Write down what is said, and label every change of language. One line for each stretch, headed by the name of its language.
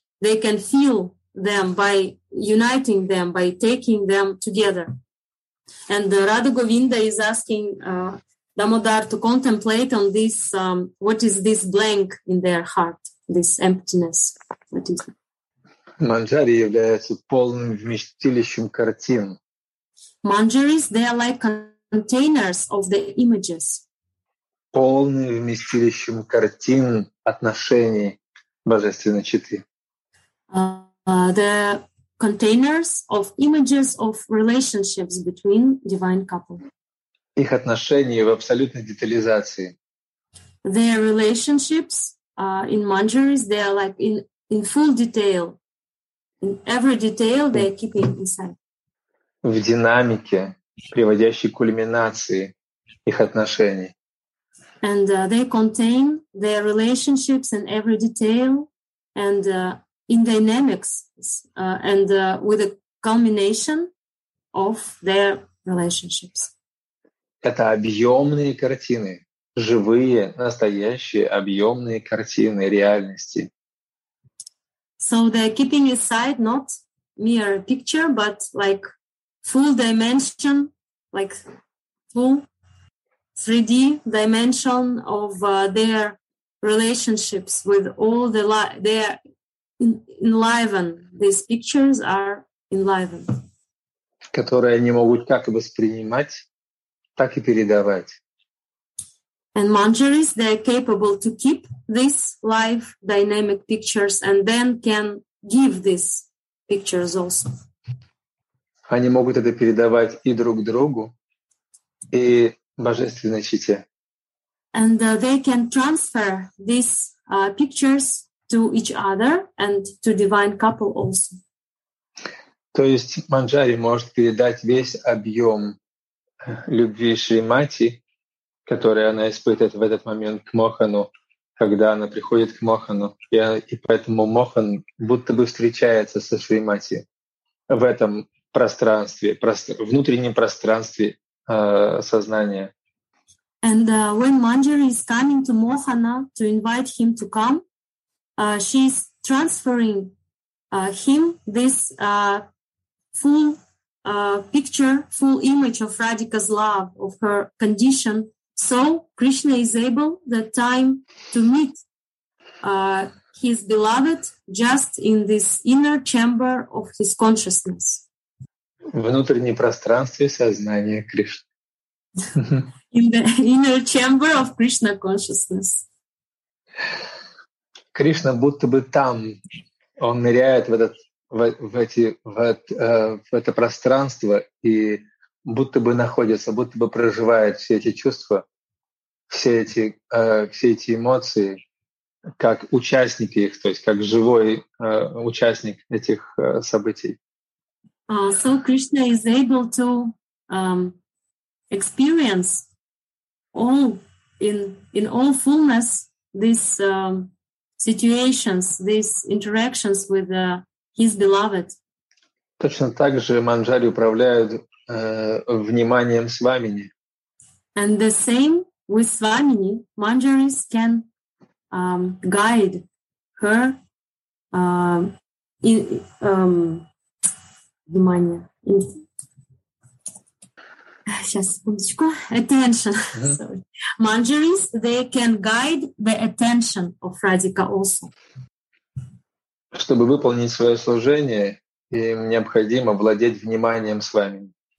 English: They can feel them by uniting them, by taking them together. And Radha Govinda is asking Damodar to contemplate on this, what is this blank in their heart, this emptiness. What is it?
Russian: Manjari является полным вместилищем картин.
English: Manjaris, they are like containers of the images.
Russian: Полный вместилищем картин отношений Божественной Читы.
English: The containers of images of relationships between divine couple.
Russian: Их отношения в абсолютной детализации.
English: Their relationships in Manjaris, they are like in full detail. In every detail they are keeping inside.
Russian: В динамике, приводящей к кульминации их отношений.
English: And they contain their relationships in every detail and in dynamics and with a culmination of their relationships.
Russian: Это объемные картины, живые, настоящие объемные картины реальности.
English: So they're keeping aside not mere picture, but like full dimension, like full 3D dimension of their relationships with all the life. They are enlivened. These pictures are enlivened.
Russian: Которые они могут как воспринимать, так и передавать.
English: And Manjaris, they are capable to keep these live dynamic pictures and then can give these pictures also.
Russian: Они могут это передавать и друг другу, и Божественной Чите.
English: And they can transfer these pictures to each other and to divine couple also.
Russian: То есть Манджари может передать весь объем любви Шримати, которую она испытывает в этот момент к Мохану, когда она приходит к Мохану. И поэтому Мохан будто бы встречается со Шримати в этом пространстве, внутреннем пространстве сознания.
English: And when Manjari is coming to Mohana to invite him to come, she's transferring him this full picture, full image of Radhika's love, of her condition. So Krishna is able that time to meet his beloved just in this inner chamber of his consciousness.
Russian: Внутреннее пространство сознания Кришны.
English: In the inner chamber of Krishna consciousness.
Russian: Кришна будто бы там. Он ныряет в это пространство и будто бы находится, будто бы проживает все эти чувства, все эти эмоции, как участники их, то есть как живой участник этих событий.
English: So Krishna is able to experience all in all fullness these situations, these interactions with his beloved.
Russian: Точно так же Манджари управляют вниманием свамини.
English: And the same with Swamini, Manjaris can guide her Manjaris, they can guide the attention of Radhika also.
Russian: Чтобы выполнить свое служение, им необходимо владеть вниманием Свамини.